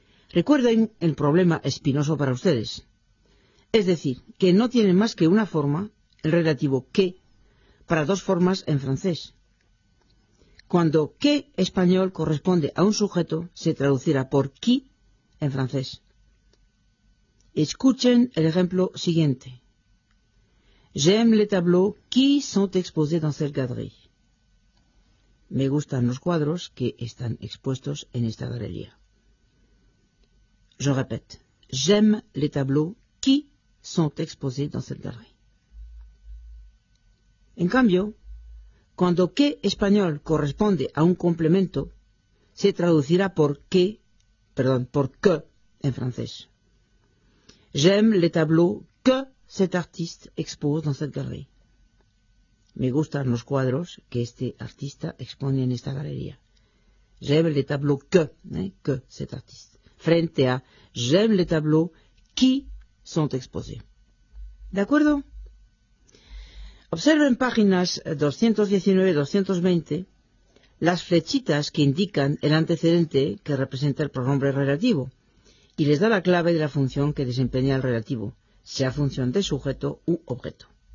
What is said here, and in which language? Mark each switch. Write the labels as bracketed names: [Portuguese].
[Spanish] Recuerden el problema espinoso para ustedes. Es decir, que no tienen más que una forma, el relativo que, para dos formas en francés. Cuando qué español corresponde a un sujeto, se traducirá por qui en francés. Escuchen el ejemplo siguiente. [French] J'aime les tableaux qui sont exposés dans cette galerie. [Spanish] Me gustan los cuadros que están expuestos en esta galería. [French] Je répète. J'aime les tableaux qui sont exposés dans cette galerie. [Spanish] En cambio, cuando qué español corresponde a un complemento, se traducirá por que en francés. [French] J'aime les tableaux que cet artiste expose dans cette galerie. [Spanish] me gustan los cuadros que este artista expone en esta galería. [French] J'aime le tableau que cet artiste. [Spanish] Frente a [French] j'aime le tableau qui sont exposés. [Spanish] ¿De acuerdo? Observo en páginas 219-220 las flechitas que indican el antecedente que representa el pronombre relativo y les da la clave de la función que desempeña el relativo, sea función de sujeto u objeto.